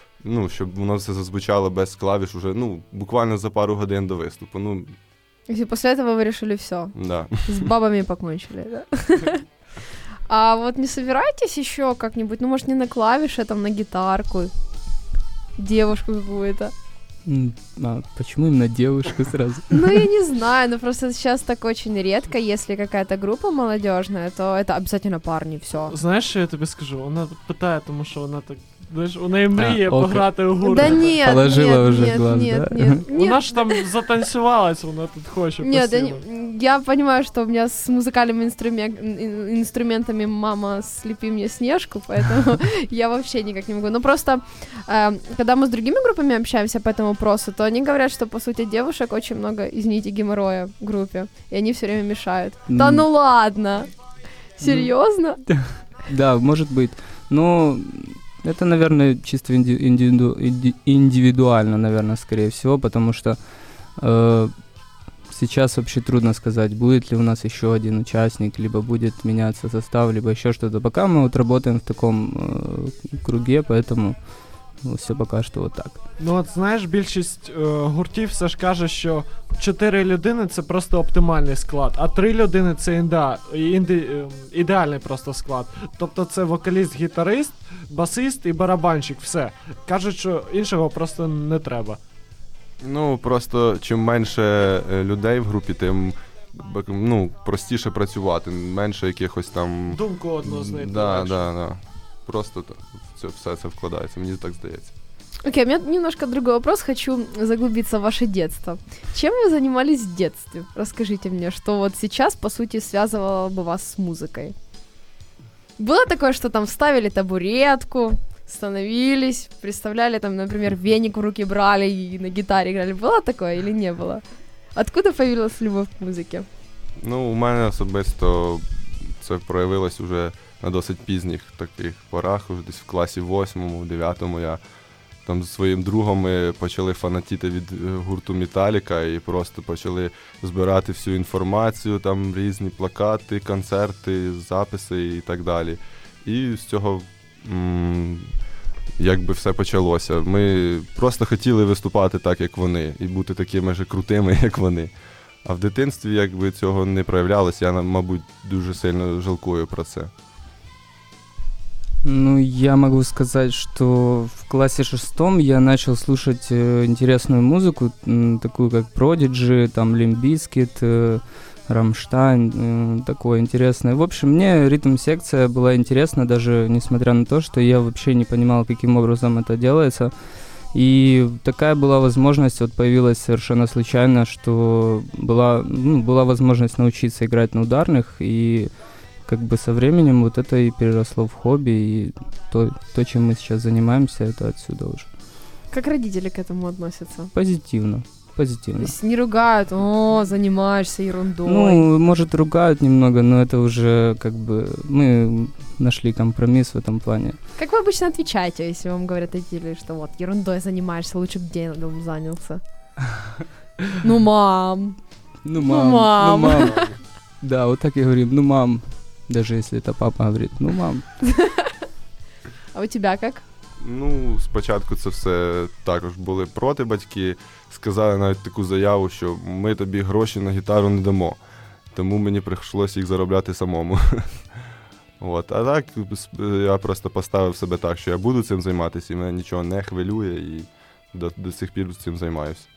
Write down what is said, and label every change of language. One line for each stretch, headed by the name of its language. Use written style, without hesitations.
Ukrainian: Ну, щоб воно все зазвучало без клавіш уже, ну, буквально за пару годин до виступу, ну. І після цього вирішили все. Да. З бабами покончили, да? А от не збираєтесь ще як-небудь, ну, може, не на клавіші, а там на гітарку, дівчинку якусь?
Russian: А почему именно девушку сразу? Ну, я не знаю, но просто сейчас так очень редко, если какая-то группа молодежная, то это обязательно парни, все. Знаешь, что я тебе скажу? Она пытает, потому что она так
Ukrainian: Знаєш, у неї мріє пограти у гурт. Да ні, положила вже глаз, да? Ні. Вона ж там затанцювалась, вона тут хоче посіла. Ні, да, ні. Я розумію, що у мене з музикальними інструментами мама сліпи мені Снежку,
Russian: поэтому я вообще никак не могу. Ну просто, когда мы с другими группами общаемся по этому вопросу, то они говорят, что, по сути, девушек очень много, извините, геморроя в группе, и они все время мешают. Да ну ладно! Серьезно? Да, может быть. Но это, наверное, чисто индивидуально, наверное, скорее всего, потому что сейчас вообще трудно сказать, будет ли у нас еще один участник, либо будет меняться состав, либо еще что-то. Пока мы вот работаем в таком круге, поэтому все пока что вот так.
Ukrainian: Ну от,
Russian: знаешь,
Ukrainian: більшість гуртів все ж каже, що 4 людини – це просто оптимальний склад, а 3 людини – це ідеальний просто склад. Тобто це вокаліст, гітарист, басист і барабанщик – все. Кажуть, що іншого просто не треба. Ну, просто чим менше людей в групі, тим, ну, простіше працювати, менше якихось там... Думку одну знайти. Да, да, да. Просто все це вкладається, мені так здається. Окей, у мене немножко другий вопрос, хочу заглубитися в ваше дитинство. Чим ви займалися в дитинстві? Розкажіть мені, що от зараз, по суті, зв'язувало б вас з музикою? Було таке, що там ставили табуретку?
Russian: Становились, представляли, там, например, веник в руки брали и на гитаре играли. Было такое или не было? Откуда появилась любовь к музыке? Ну, у меня
Ukrainian: особисто це проявилось уже на досить пізніх таких порах, уже десь в класі 8-му, 9-му я там зі своїм другом ми почали фанатіти від гурту Металіка і просто почали збирати всю інформацію, там різні плакати, концерти, записи і так далі. І з цього якби все почалося. Ми просто хотіли виступати так, як вони, і бути такими ж крутими, як вони. А в дитинстві якби цього не проявлялось, я, мабуть, дуже сильно жалкую про це. Ну, я можу сказати, що в класі 6 я почав слухати інтересну музику, таку як Prodigy, там Limp Bizkit, Рамштайн,
Russian: такое интересное. В общем, мне ритм-секция была интересна, даже несмотря на то, что я вообще не понимал, каким образом это делается. И такая была возможность, вот появилась совершенно случайно, что была возможность научиться играть на ударных, и как бы со временем вот это и переросло в хобби, и то, чем мы сейчас занимаемся, это отсюда уже. Как родители к этому относятся? Позитивно. Позитивно. То есть не ругают, о, занимаешься ерундой. Ну, может, ругают немного, но это уже как бы мы нашли компромисс в этом плане. Как вы обычно отвечаете, если вам говорят эти или что вот ерундой занимаешься, лучше бы делом занялся? Ну, мам. Ну, мам. Ну, мам. Да, вот так и говорим, ну, мам. Даже если это папа говорит, ну, мам. А у тебя как?
Ukrainian: Ну, спочатку це все також були проти батьки, сказали навіть таку заяву, що ми тобі гроші на гітару не дамо, тому мені прийшлося їх заробляти самому. От. А так, я просто поставив себе так, що я буду цим займатися, і мене нічого не хвилює, і до цих пір цим займаюся.